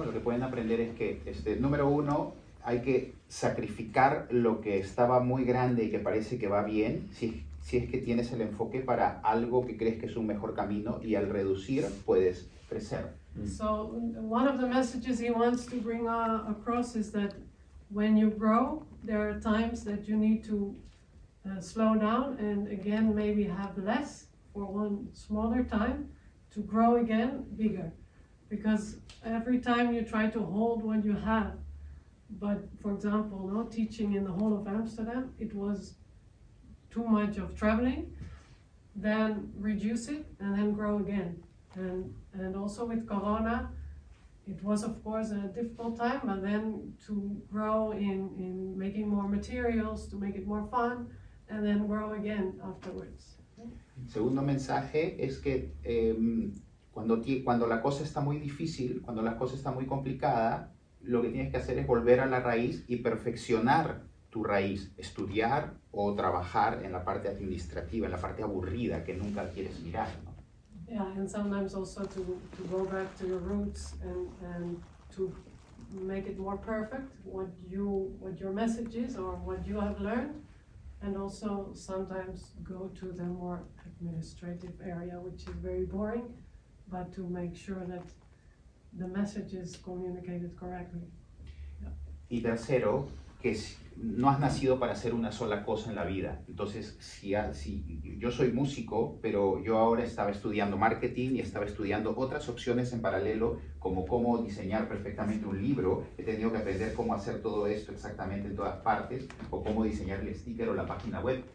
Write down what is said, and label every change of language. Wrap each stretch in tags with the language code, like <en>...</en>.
<es>Lo que pueden aprender es que, número uno, hay que sacrificar lo que estaba muy grande y que parece que va bien, si es que tienes el enfoque para algo que crees que es un mejor camino, y al reducir, puedes crecer.</es> <en>So, one of the messages he wants to bring across is that when you grow, there are times that you need to slow down and again maybe have less for one smaller time to grow again bigger. Because every time you try to hold what you have, But for example, not teaching in the whole of Amsterdam, it was too much of traveling, then reduce it and then grow again. And also with Corona, it was of course a difficult time, but then to grow in making more materials, to make it more fun, and then grow again afterwards.</en> <es>El segundo mensaje es que cuando la cosa está muy difícil, cuando la cosa está muy complicada, lo que tienes que hacer es volver a la raíz y perfeccionar tu raíz, estudiar o trabajar en la parte administrativa, en la parte aburrida que nunca quieres mirar, ¿no?</es> <en>Yeah, and sometimes also to go back to your roots and to make it more perfect, what your message is or what you have learned, and also sometimes go to the more administrative area, which is very boring, but to make sure that the message is communicated correctly.</en> <es>Y tercero, que si no has nacido para hacer una sola cosa en la vida. Entonces, si yo soy músico, pero yo ahora estaba estudiando marketing y estaba estudiando otras opciones en paralelo, como cómo diseñar perfectamente un libro, he tenido que aprender cómo hacer todo esto exactamente en todas partes, o cómo diseñar el sticker o la página web.</es>